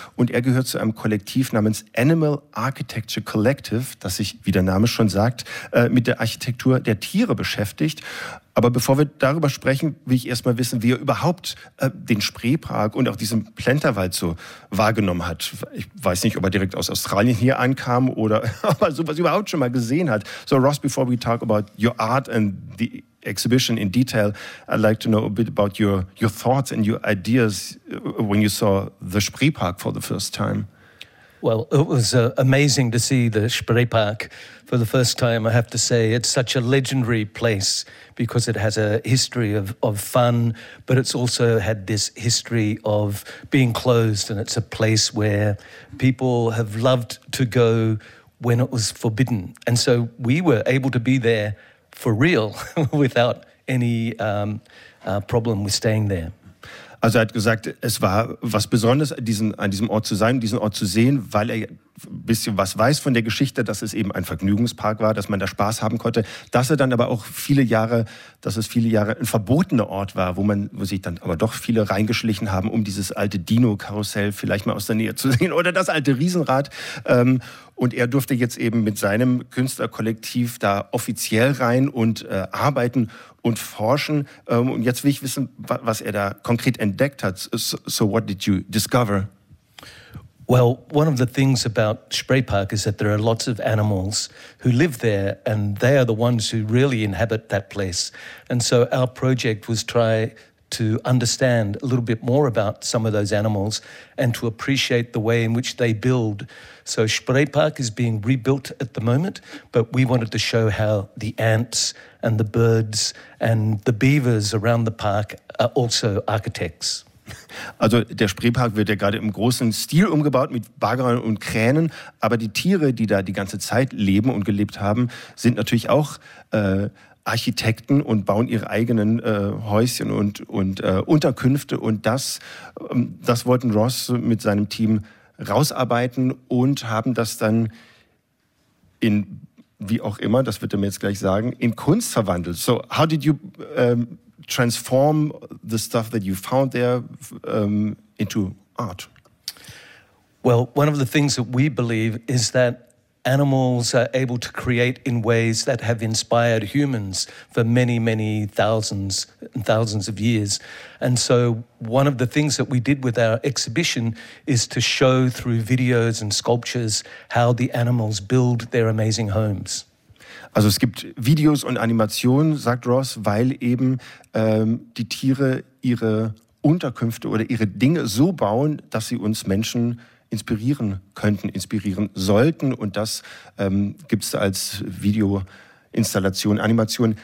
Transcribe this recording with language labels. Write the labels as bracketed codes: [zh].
[de] Und er gehört zu einem Kollektiv namens Animal Architecture Collective, das sich, wie der Name schon sagt, mit der Architektur der Tiere beschäftigt. Aber bevor wir darüber sprechen, will ich erstmal wissen, wie er überhaupt den Spreepark und auch diesen Plänterwald so wahrgenommen hat. Ich weiß nicht, ob er direkt aus Australien hier ankam oder ob er sowas überhaupt schon mal gesehen hat. [en] So, Ross, before we talk about your art and the exhibition in detail, I'd like to know a bit about your thoughts and your ideas when you saw the Spreepark for the first time. Well, it was amazing to see the Spreepark for the first time. I have to say, it's such a legendary place because it has a history of fun, but it's also had this history of being closed, and it's a place where people have loved to go when it was forbidden. And so we were able to be there for real without any problem with staying there. [de] Also er hat gesagt, es war was Besonderes, an diesem Ort zu sein, diesen Ort zu sehen, weil er ein bisschen was weiß von der Geschichte, dass es eben ein Vergnügungspark war, dass man da Spaß haben konnte, dass er dann aber auch viele Jahre ein verbotener Ort war, wo sich dann aber doch viele reingeschlichen haben, um dieses alte Dino-Karussell vielleicht mal aus der Nähe zu sehen oder das alte Riesenrad. Und er durfte jetzt eben mit seinem Künstlerkollektiv da offiziell rein und arbeiten und forschen. Und jetzt will ich wissen, was er da konkret entdeckt hat. [en] So what did you discover? Well, one of the things about Spreepark is that there are lots of animals who live there, and they are the ones who really inhabit that place. And so our project was try to understand a little bit more about some of those animals and to appreciate the way in which they build. So Spreepark is being rebuilt at the moment, but we wanted to show how the ants and the birds and the beavers around the park are also architects. [de] Also der Spreepark wird ja gerade im großen Stil umgebaut mit Baggern und Kränen, aber die Tiere, die da die ganze Zeit leben und gelebt haben, sind natürlich auch Architekten und bauen ihre eigenen Häuschen und Unterkünfte. Und das wollten Ross mit seinem Team rausarbeiten und haben das dann in, wie auch immer, das wird er mir jetzt gleich sagen, in Kunst verwandelt. [en] So, how did you transform the stuff that you found there into art? Well, one of the things that we believe is that animals are able to create in ways that have inspired humans for many, many thousands and thousands of years. And so one of the things that we did with our exhibition is to show through videos and sculptures how the animals build their amazing homes. [de] Also es gibt Videos und Animationen, sagt Ross, weil eben die Tiere ihre Unterkünfte oder ihre Dinge so bauen, dass sie uns Menschen inspirieren könnten, inspirieren sollten. Und das gibt es da als Videoinstallation, Animation.